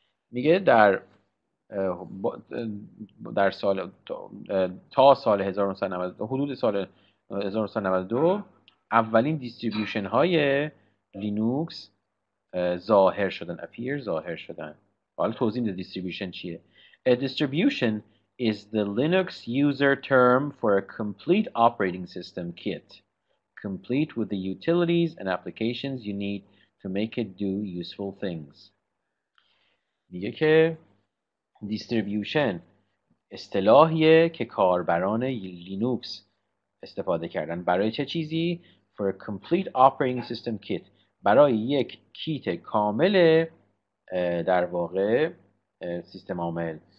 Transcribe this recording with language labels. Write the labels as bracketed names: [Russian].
[Persian] میگه در سال تا سال 1992 حدود سال 1992 اولین دیستریبیوشن های لینوکس ظاهر شدن. appear ظاهر شدن. حالا توضیح میده دیستریبیوشن چیه. [English] A distribution is the Linux user term for a complete operating system kit, complete with the utilities and applications you need to make it do useful things. [Persian] میگه که دیستریبیوشن اصطلاحیه که کاربران لینوکس استفاده کردن. برای چه چیزی؟ [English] For a complete operating system kit. [Persian] برای یک کیت کامل در واقع سیستم عامل.